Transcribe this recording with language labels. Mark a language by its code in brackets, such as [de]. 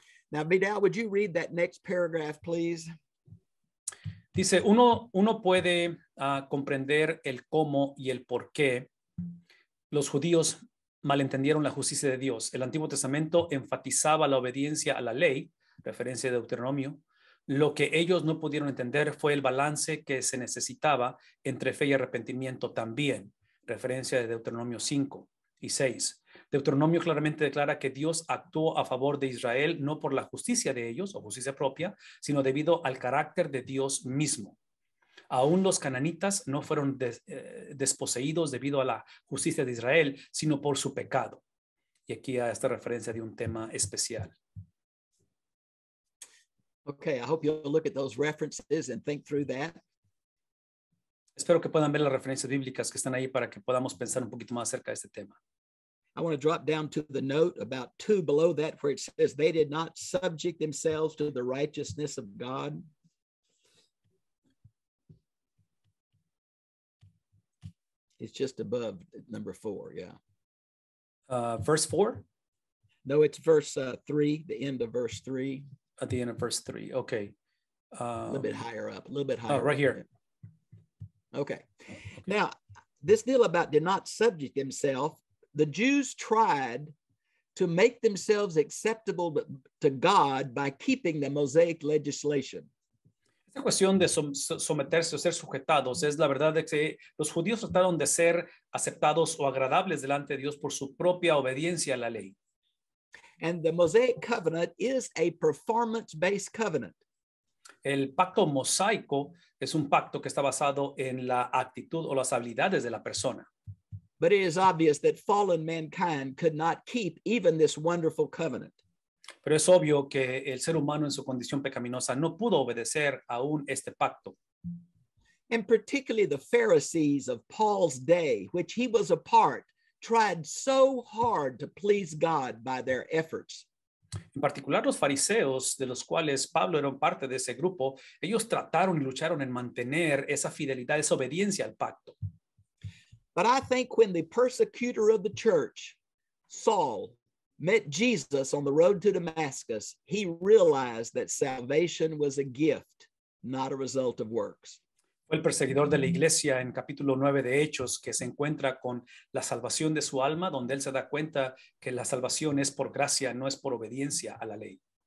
[en] Now, Vidal, would you read that next paragraph, please? [es] Dice, uno puede comprender el cómo y el por qué los judíos malentendieron la justicia de Dios. El Antiguo Testamento enfatizaba la obediencia a la ley, referencia de Deuteronomio. Lo que ellos no pudieron entender fue el balance que se necesitaba entre fe y arrepentimiento también, referencia de Deuteronomio 5 y 6. Deuteronomio claramente declara que Dios actuó a favor de Israel no por la justicia de ellos o justicia propia, sino debido al carácter de Dios mismo. Aún los cananitas no fueron desposeídos debido a la justicia de Israel, sino por su pecado. Y aquí a esta referencia de un tema especial. [en] Okay, I hope you'll look at those references and think through that. [es] Espero que puedan ver las referencias bíblicas que están ahí para que podamos pensar un poquito más acerca de este tema. [en] I want to drop down to the note about two below that where it says they did not subject themselves to the righteousness of God. It's just above number four, yeah. Verse four? No, it's verse three, the end of verse three. At the end of verse three, okay. A little bit higher up, a little bit higher. Right here. Okay. Now, this deal about did not subject himself, the Jews tried to make themselves acceptable to God by keeping the Mosaic legislation. [es] Esta cuestión de someterse o ser sujetados es la verdad de que los judíos trataron de ser aceptados o agradables delante de Dios por su propia obediencia a la ley. [en] And the Mosaic covenant is a performance-based covenant. [es] El pacto mosaico es un pacto que está basado en la actitud o las habilidades de la persona. [en] But it is obvious that fallen mankind could not keep even this wonderful covenant. [es] Pero es obvio que el ser humano en su condición pecaminosa no pudo obedecer aún este pacto. [en] And particularly the Pharisees of Paul's day, which he was a part, tried so hard to please God by their efforts. [es] En particular los fariseos, de los cuales Pablo era parte de ese grupo, ellos trataron y lucharon en mantener esa fidelidad, esa obediencia al pacto. [en] But I think when the persecutor of the church, Saul, met Jesus on the road to Damascus, he realized that salvation was a gift, not a result of works. [es] Fue el perseguidor de la iglesia en capítulo 9 de Hechos que se encuentra con la salvación de su alma, donde él se da cuenta que la salvación es por gracia, no es por obediencia a la ley.